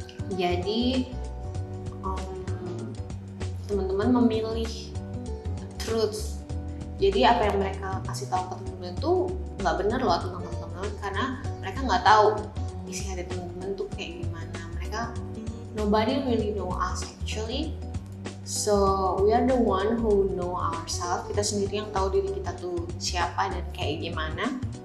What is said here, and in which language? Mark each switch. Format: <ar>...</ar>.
<id>Jadi teman-teman memilih truth Jadi apa yang mereka kasih tahu ke teman-teman itu nggak benar loh tentang teman-teman, karena mereka nggak tahu isi hati teman-teman tuh kayak gimana. Mereka</id> <en>nobody really know us actually. So we are the one who know ourselves.</en> <id>Kita sendiri yang tahu diri kita tuh siapa dan kayak gimana.</id>